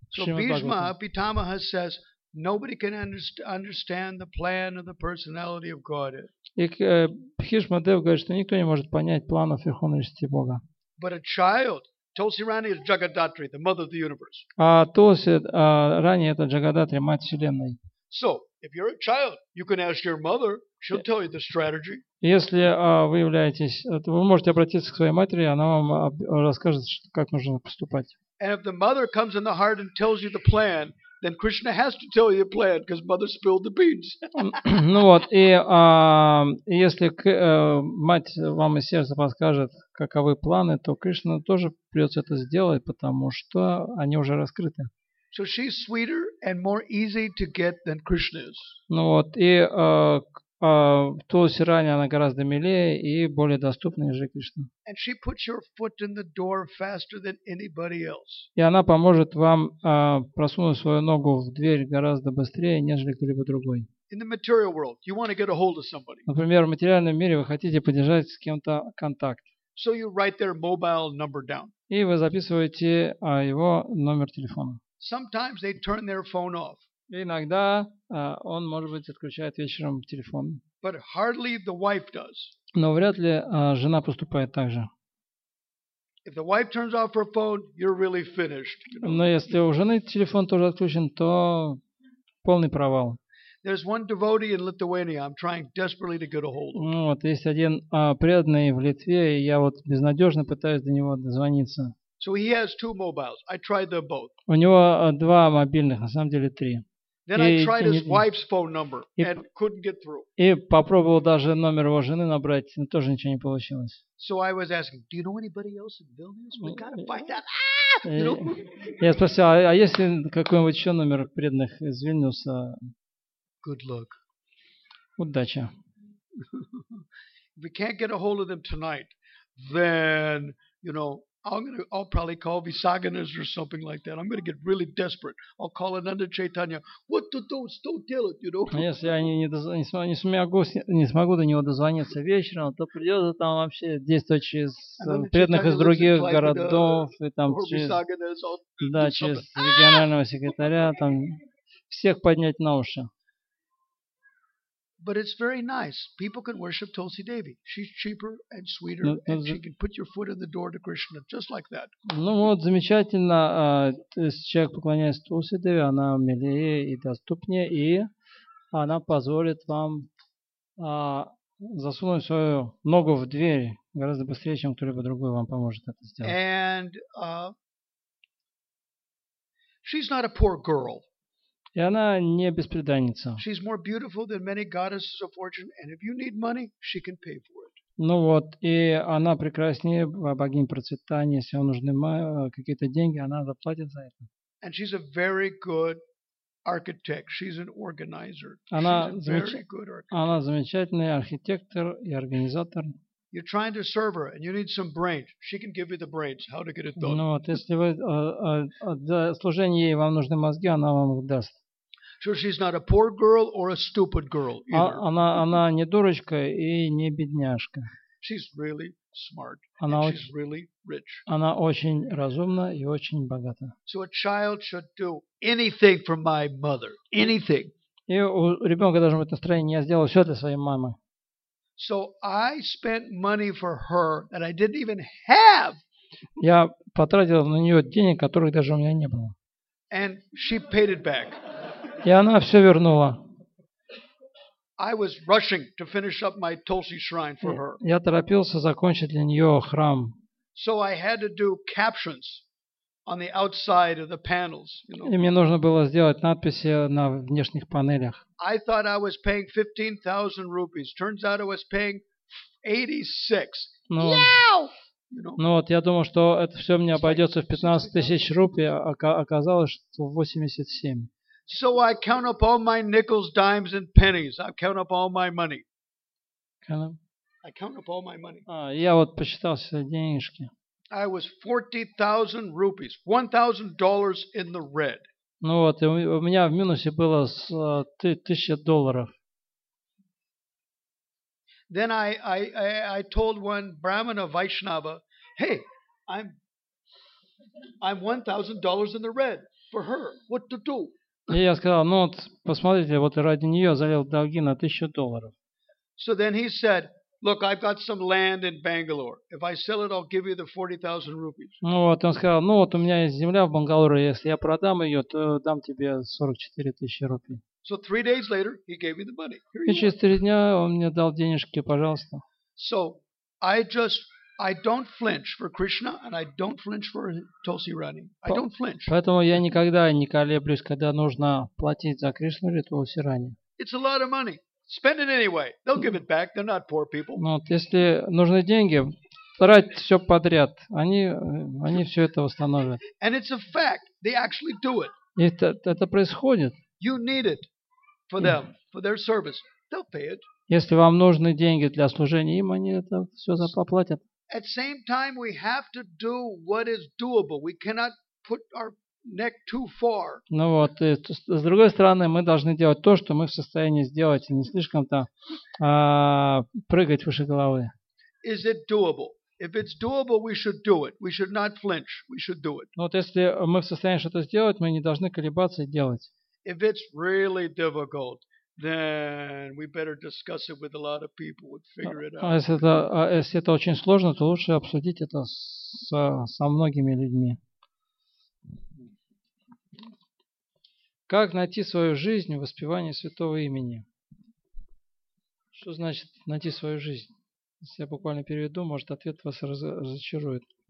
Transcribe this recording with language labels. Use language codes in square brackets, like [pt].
[en] So Bhishma, Pitamaha says, nobody can understand the plan of the personality of God. [ru] И Бхишма Дев говорит, что никто не может понять планов Верховной Бога. [en] But a child, Tulsi Rani is Jagadatri, the mother of the universe. [ru] А Тулси Рани это Джагадатри, мать вселенной. [en] So, if you're a child, you can ask your mother, she'll tell you the strategy. [ru] Если вы являетесь, вы можете обратиться к своей матери, она вам расскажет, как нужно поступать. [en] And if the mother comes in the heart and tells you the plan, then Krishna has to tell you a plan because mother spilled the beans. [ru] Ну вот, и если мать вам из сердца подскажет, каковы планы, то Кришна тоже придется это сделать, потому что они уже раскрыты. [en] So she's sweeter and more easy to get than Krishna is. [ru] Ну вот, и Тулси Рани, она гораздо милее и более доступна, нежели Кришна. [en] And she puts your foot in the door faster than anybody else. [ru] И она поможет вам просунуть свою ногу в дверь гораздо быстрее, нежели кто-либо другой. [en] In the material world, you want to get a hold of somebody. [ru] Например, в материальном мире вы хотите поддержать с кем-то контакт. [en] So you write their mobile number down. [ru] И вы записываете его номер телефона. [en] Sometimes they turn their phone off. [ru] Иногда он, может быть, отключает вечером телефон. [en] But hardly the wife does. [ru] Но вряд ли жена поступает так же. [en] If the wife turns off her phone, you're really finished. [ru] Но если у жены телефон тоже отключен, то полный провал. [en] There's one devotee in Lithuania. I'm trying desperately to get a hold of. [ru] Ну, вот есть один преданный в Литве, и я вот безнадежно пытаюсь до него дозвониться. [en] So he has two mobiles. I tried them both. [ru] У него два мобильных, на самом деле три. [en] Then I tried his wife's phone number and couldn't get through. [ru] И попробовал даже номер его жены набрать, но тоже ничего не получилось. [en] So I was asking, do you know anybody else in Vilnius? We gotta find out. [ru] Я спросил, а есть ли какой-нибудь еще номер преданных из Вильнюса? [en] Good luck. [ru] Удача. [en] If we can't get a hold of them tonight, then, you know, I'll probably call Visaganas or something like that. I'm going to get really desperate. I'll call Ananda Chaitanya. What to do? Still tell it, you know? [ru] Если я не смогу до него дозвониться вечером, то придется там вообще действовать через преданных из других городов и там через регионального секретаря, там всех поднять на уши. [en] But it's very nice. People can worship Tulsi Devi. She's cheaper and sweeter, and she can put your foot in the door to Krishna just like that. [ru] Ну вот замечательно, человек поклоняется Тулси Деви, она милее и доступнее, и она позволит вам засунуть свою ногу в дверь гораздо быстрее, чем кто-либо другой вам поможет это сделать. [en] And she's not a poor girl. [ru] И она не бесприданница. [en] She's more beautiful than many goddesses of fortune, and if you need money, she can pay for it. [ru] Ну вот, и она прекраснее богинь процветания. Если вам нужны какие-то деньги, она заплатит за это. [en] And she's a very good architect. She's an organizer. [ru] Она замечательный архитектор и организатор. [en] You're trying to serve her, and you need some brains. She can give you the brains, how to get it done. [ru] Ну вот, если вы для служения ей вам нужны мозги, она вам их даст. [en] So she's not a poor girl or a stupid girl either. [ru] Она не дурочка и не бедняжка. [en] She's really smart. And she's really rich. [ru] Она очень разумна и очень богата. [en] So a child should do anything for my mother. Anything. [ru] И у ребенка должно быть настроение, я сделаю все для своей мамы. [en] So I spent money for her that I didn't even have. [ru] Я потратил на нее денег, которых даже у меня не было. [en] And she paid it back. [ru] И она все вернула. [en] I was rushing to finish up my Tulsi shrine for her. [ru] Я торопился закончить для нее храм. [en] So I had to do captions on the outside of the panels. You know. [ru] И мне нужно было сделать надписи на внешних панелях. [en] I thought I was paying 15,000 rupees. Turns out I was paying 86. [ru] Ну, ну вот, я думал, что это все мне обойдется в 15,000 рупий, а оказалось, что 87. [en] So I count up all my nickels, dimes, and pennies. I count up all my money. I count up all my money. [ru] Я вот посчитал все денежки. [en] I was 40,000 rupees, $1,000 in the red. [ru] Ну вот, и у меня в минусе было $1,000. [en] Then I told one Brahmana Vaishnava, hey, I'm $1,000 in the red for her. What to do? [ru] И я сказал, ну вот, посмотрите, вот ради нее залил долги на $1,000. [en] So then he said, look, I've got some land in Bangalore. If I sell it, I'll give you the 40,000 rupees. [ru] Ну вот, он сказал, ну вот, у меня есть земля в Бангалоре, если я продам ее, то дам тебе 44,000 рупий. [en] So 3 days later, he gave me the money. [ru] И через 3 дня он мне дал денежки, пожалуйста. [en] So I don't flinch for Krishna, and I don't flinch for Tulsi Rani. I don't flinch. [ru] Поэтому я никогда не колеблюсь, когда нужно платить за Кришну или Тулси Рани. [en] It's a lot of money. Spend it anyway. They'll give it back. They're not poor people. [ru] Ну, вот, если нужны деньги, трать все подряд. Они все это восстановят. [en] And it's a fact. They actually do it. [ru] Это происходит. [en] You need it for them, for their service. They'll pay it. [ru] Если вам нужны деньги для служения им, они это все заплатят. [en] At same time, we have to do what is doable. We cannot put our neck too far. [ru] Ну вот, и с другой стороны, мы должны делать то, что мы в состоянии сделать, и не слишком-то прыгать выше головы. [en] Is it doable? If it's doable, we should do it. We should not flinch. We should do it. [ru] Ну вот, если мы в состоянии что-то сделать, мы не должны колебаться и делать. [en] If it's really difficult, then we better discuss it with a lot of people and figure it out. [ru] Если это очень сложно, то лучше обсудить это со многими людьми. Как найти свою жизнь в воспевании святого имени? Что значит найти свою жизнь? Если я буквально переведу, может, ответ вас разочарует.